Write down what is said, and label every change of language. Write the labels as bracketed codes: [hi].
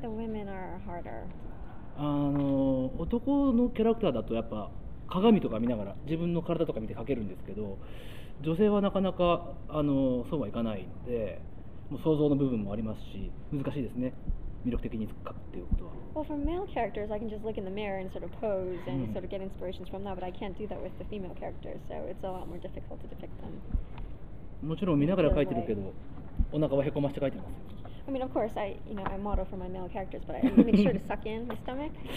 [en] The women are harder. [ja] 男のキャラクターだとやっぱ鏡とか見ながら自分の体とか見て描けるんですけど、女性はなかなかそうはいかないので、もう想像の部分もありますし難しいですね。魅力的に描くっていうことは。 [en] Well, for male characters, I can just look in the mirror and sort of pose and sort of get inspirations from that, but I can't do that with the female characters, so it's a lot more difficult to depict them. [ja] もちろん見ながら描いてるけど、お腹はへこまして描いてます。 [en] I mean, of course, I, you know, I model for my male characters, but I make sure to suck in the stomach.